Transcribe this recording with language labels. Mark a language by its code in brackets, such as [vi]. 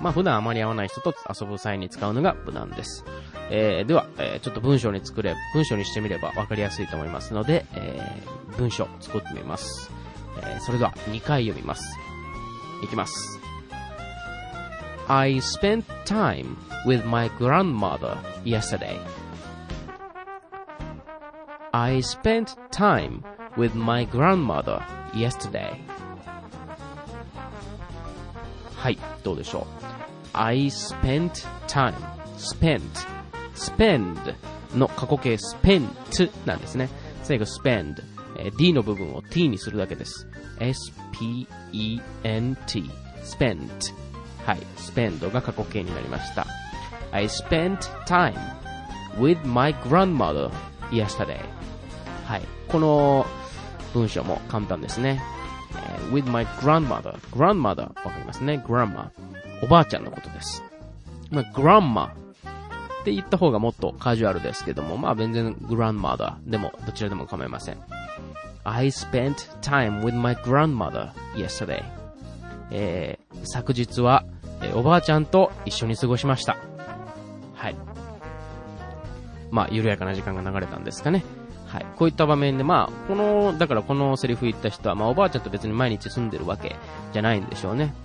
[ja] まあ、普段あまり会わない人と遊ぶ際に使うのが無難です。では、ちょっと文章にしてみれば分かりやすいと思いますので、文章作ってみます。それでは、2回読みます。いきます。 [en] I spent time with my grandmother yesterday. I spent time with my grandmother yesterday. [ja] はい、どうでしょう。 [en] I spent time. Spent. [ja] Spend の過去形 spent なんですね。最後 spend。 D の部分を T にするだけです。 [en] S-P-E-N-T. Spent. [ja] はい、spend が過去形になりました。 [en] I spent time with my grandmother yesterday. [ja] はい、この文章も簡単ですね。 [en] With my grandmother. [ja] Grandmother, わかりますね。 [en] Grandma. [ja] おばあちゃんのことです。まあ、grandma って言った方がもっとカジュアルですけども、まあ、全然 grandmother でも、どちらでも構いません。 [en] I spent time with my grandmother yesterday. [ja] 昨日は、おばあちゃんと一緒に過ごしました。はい。まあ、緩やかな時間が流れたんですかね。はい。こういった場面で、まあ、この、だからこのセリフ言った人は、まあ、おばあちゃんと別に毎日住んでるわけじゃないんでしょうね。